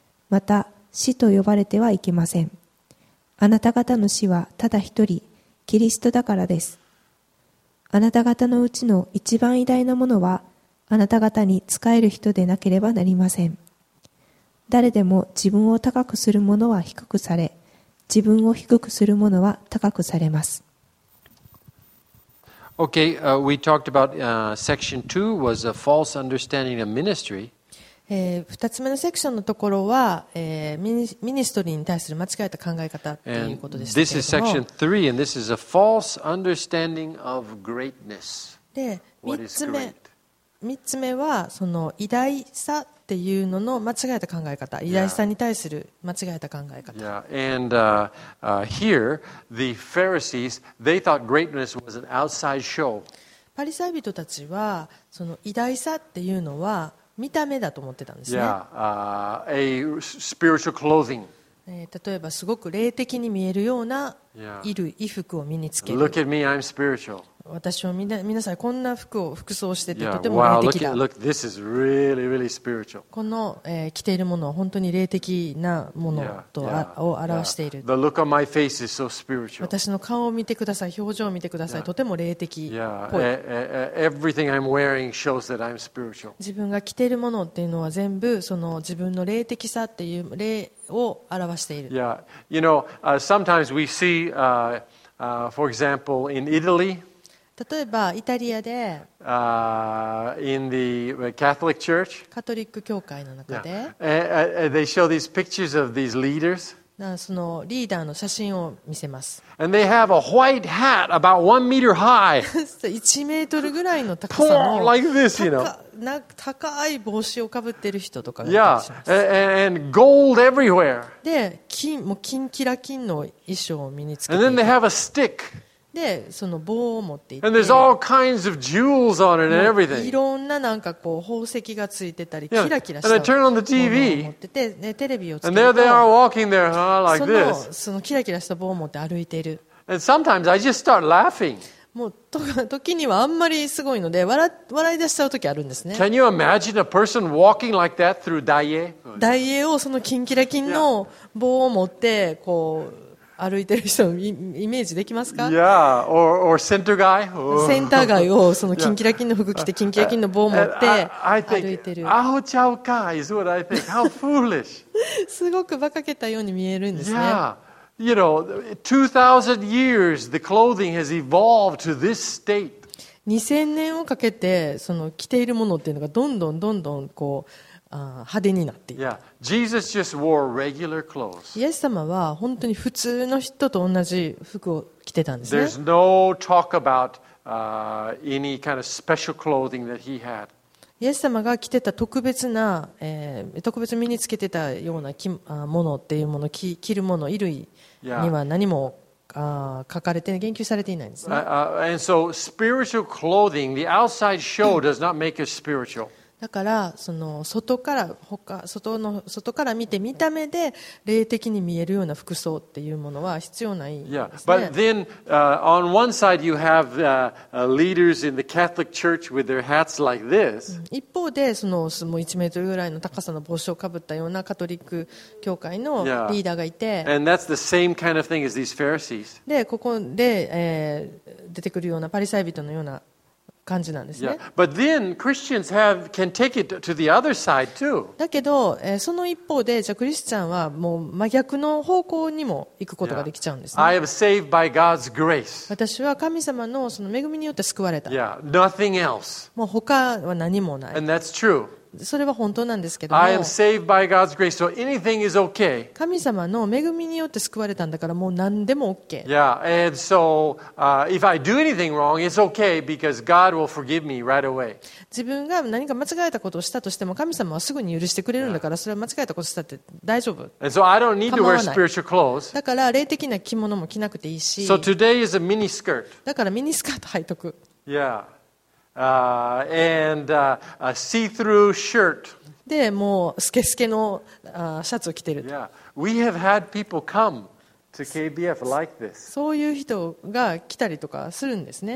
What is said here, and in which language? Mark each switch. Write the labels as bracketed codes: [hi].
[ja] また死と呼ばれてはいけません。あなた方の死はただ一人、キリストだからです。あなた方のうちの一番偉大なものは、あなた方に仕える人でなければなりません。誰でも自分を高くするものは低くされ、自分を低くするものは高くされます。 [en] Okay, we talked about section two was a false understanding of ministry. [ja] 2つ目のセクションのところは、ミニストリーに対する間違えた考え方ということですけれども。 [en] And this is section three, and this is a false understanding of greatness. [ja] で、3つ目はその偉大さっていうのの間違えた考え方、偉大さに対する間違えた考え方。 [en] Yeah. And here the Pharisees they thought greatness was an outside show. [ja] パリサイ人たちはその偉大さっていうのは見た目だと思ってたんですね。 [en] Yeah. A spiritual clothing. [ja] 例えばすごく霊的に見えるような衣服を身につける。 [en] Look at me, I'm spiritual. [ja] 私は皆さんこんな服装をしててとても霊的だ。 [en] Yeah, wow, this is really, really spiritual. [ja] この、着ているものは本当に霊的なものと表している。 [en] The look on my face is so spiritual. [ja] 私の顔を見てください、表情を見てください。とても霊的っぽい。 [en] Everything I'm wearing shows that I'm spiritual. [ja] 自分が着ているものっていうのは全部その自分の霊的さっていう霊を表している。 [en] Yeah, you know, sometimes we see, for example, in Italy. [ja] 例えばイタリアで、 [en] in the Catholic Church, [ja] カトリック教会の中で、 [en] they show these pictures of these leaders. [ja] そのリーダーの写真を見せます。 [en] And they have a white hat about one meter high. [ja] 1メートルぐらいの高さの、 [en] like this, you know. [ja] 高い帽子をかぶってる人とかがいたりします。 [en] Yeah, and gold everywhere. [ja] で、金もう金キラ金の衣装を身につけている。 [en] And then they have a stick. [ja] でその棒を持っていて、 [en] and there's all kinds of jewels on it and everything. [ja] いろんななんかこう宝石がついてたり、キラキラしたものを持ってて、ね、テレビをつ [en] けて、and there they are walking there, huh, like this. [ja] そのキラキラした棒を持って歩いている。 [en] And sometimes I just start laughing. [ja] もう時にはあんまりすごいので笑い出しちゃう時あるんですね。 [en] Can you imagine a person walking like that through Daiei? [ja] Daiei をそのキンキラキンの棒を持ってこう。歩いてる人イメージできますか？ [en] Yeah, or center guy. [ja] センター街をそのキンキラキンの服着てキンキラキンの棒を持って歩いてる。アホちゃうか [en] is what I think. How foolish. [ja] すごく馬鹿げたように見えるんですね。 [en] Yeah, you know, 2,000 years the clothing has evolved to this state. [ja] 2000年をかけてその着ているものっていうのがどんどんどんどんこう。派手になっている。 [en] Yeah. Jesus just wore regular clothes. [ja] イエス様は本当に普通の人と同じ服を着てたんですね。 [en] There's no talk about any kind of special clothing that he had. [ja] イエス様が着てた特別な、特別身につけてたようなものっていうもの、着るもの、衣類には何も、書かれて言及されていないんですね。 [en] And so spiritual clothing, the outside show does not make us spiritual. [ja] だからその外から外から見て見た目で霊的に見えるような服装っていうものは必要ないんですね。 [en] Yeah, but then on one side you have leaders in the Catholic Church with their hats like this. [ja] 一方でその1メートルぐらいの高さの帽子をかぶったようなカトリック教会のリーダーがいて、 [en] and that's the same kind of thing as these Pharisees. [ja] でここで出てくるようなパリサイ人のような。感じなんですね。 [en] But then Christians can take it to the other side too. [ja] だけど、その一方で、じゃあクリスチャンはもう真逆の方向にも行くことができちゃうんですね。 [en] I am saved by God's grace. [ja] 私は神様のその恵みによって救われた。 [en] Yeah, nothing else. [ja] もう他は何もない。 [en] And that's true. [ja] それは本当なんですけども [en] 、I am saved by God's grace, so anything is okay. [ja] 神様の恵みによって救われたんだからもう何でも OK。 [en] Yeah, and so if I do anything wrong, it's okay because God will forgive me right away. [ja] 自分が何か間違えたことをしたとしても神様はすぐに許してくれるんだから、それは間違えたことをしたって大丈夫。 [en] And so I don't need to wear spiritual clothes. [ja] だから霊的な着物も着なくていいし。 [en] So today is a mini skirt. [ja] だからミニスカート履いとく。 [en] Yeah. And a see-through shirt. [ja] で、もうスケスケのシャツを着てる。 [en] Yeah, we have had people come to KBF like this. [ja] そういう人が来たりとかするんですね。